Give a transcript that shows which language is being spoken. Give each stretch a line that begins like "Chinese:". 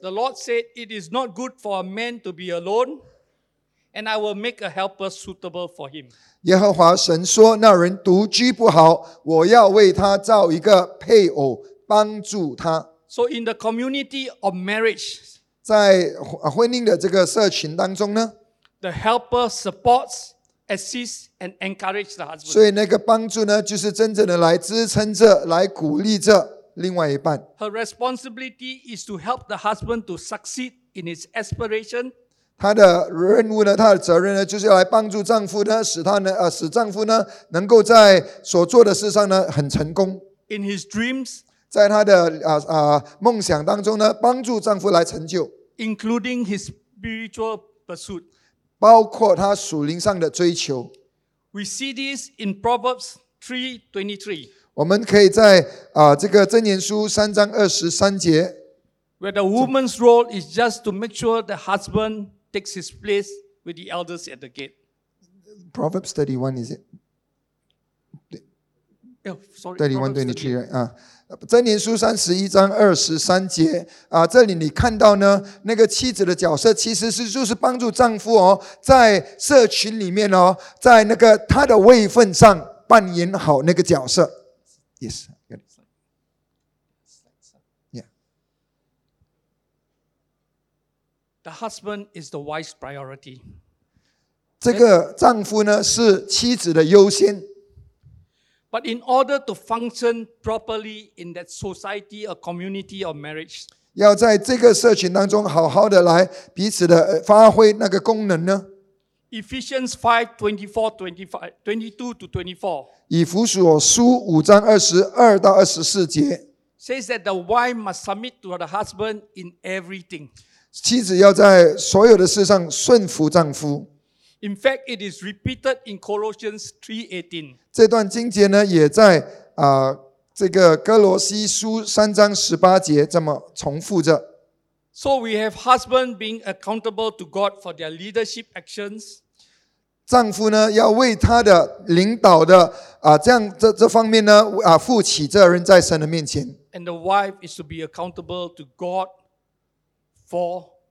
English: ，The Lord said, "It is not good for a man to be alone, and I will make a helper suitable for him."
Chinese: 耶和华神说，那人独居不好，我要为他造一个配偶，帮助他。
English: So in the community of marriage,
Chinese: 在婚姻的这个社群当中呢
English: ，The helper supports. Assist and encourage the husband.
Chinese: 所以那个帮助呢，就是真正的来支撑着，来鼓励着另外一半。
English: Her responsibility is to help the husband to succeed in his aspiration.
Chinese: 她的任务呢，她的责任呢，就是要来帮助丈夫呢，使他呢，使丈夫呢，能够在所做的事上呢，很成功。
English: In his dreams,
Chinese: 在他的梦想当中呢，帮助丈夫来成就。
English: Including his spiritual pursuit.
Chinese: 包括他属灵上的追求。
English: We see this in Proverbs 3:23.
Chinese: 我们可以在这个箴言书三章二十三节。
English: Where the woman's role is just to make sure the husband takes his place with the elders at the gate. Proverbs 31, is it? Sorry, 31:23,
Chinese: 箴言书三十一章二十三节啊，这里你看到呢，那个妻子的角色其实是就是帮助丈夫哦，在社群里面哦，在那个他的位份上扮演好那个角色。
English: Yes, good. Yeah. The husband is the wife's priority.
Chinese: 这个丈夫呢是妻子的优先。
English: But in order to function properly in that society or community of marriage,
Chinese: 要在这个社群当中好好的来彼此的发挥那个功能呢
English: Ephesians 5:22-24,
Chinese: 以弗所书五章二十二到二十四节
English: says that the wife must submit to her husband in everything.
Chinese: 妻子要在所有的事上顺服丈夫。
English: In fact, it is repeated in Colossians 3:18.
Chinese: 这段经节呢，也在这个哥罗西书三章十八节这么重复着。
English: So we have husband being accountable to God for their leadership actions.
Chinese: 丈夫呢，要为他的领导的这样这方面呢负起责任在神的面前。
English: And the wife is to be accountable to God for.